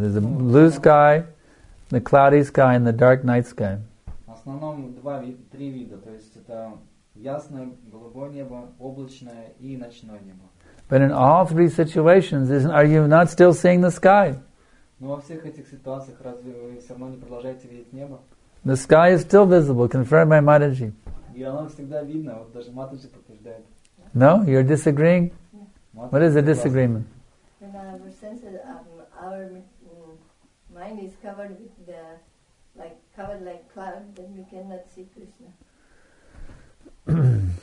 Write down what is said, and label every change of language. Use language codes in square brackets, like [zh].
[en] There's a blue sky, the cloudy sky, and the dark night sky. [ru] В основном три вида. То есть это ясное голубое небо, облачное и ночное небо. [en] But in all three situations, are you not still seeing the sky? [ru] Но во всех этих ситуациях разве вы все равно не продолжаете видеть небо? [en] The sky is still visible, confirmed by Mataji. [ru] И оно всегда видно, вот даже Матаджи подтверждает. [en] No, you're disagreeing? Yeah. What is the disagreement? And ever since our mind is covered with the, covered like cloud, then we cannot see Krishna.